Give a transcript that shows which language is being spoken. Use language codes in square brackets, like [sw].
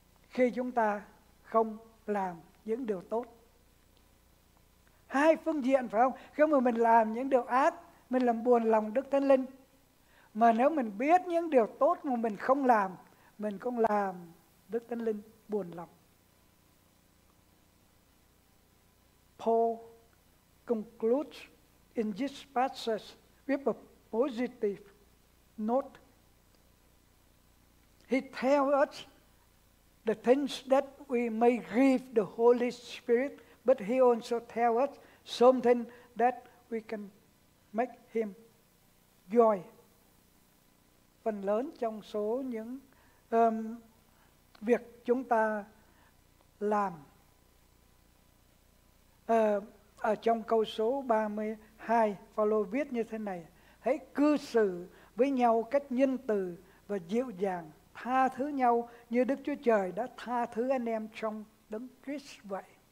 [vi] Khi chúng ta không làm những điều tốt. Hai phương diện, phải không? Khi mà mình làm những điều ác, mình làm buồn lòng Đức Thánh Linh. Mà nếu mình biết những điều tốt mà mình không làm, mình cũng làm Đức Thánh Linh buồn lòng. [en] Paul concludes in this passage with a positive note. He tells us the things that we may grieve the Holy Spirit, but he also tells us something that we can make him joy. [vi] Phần lớn trong số những việc chúng ta làm ở trong câu số 32, Paulo viết như thế này: hãy cư xử với nhau cách nhân từ và dịu dàng, tha thứ nhau như Đức Chúa Trời đã tha thứ anh em trong Đấng Christ vậy.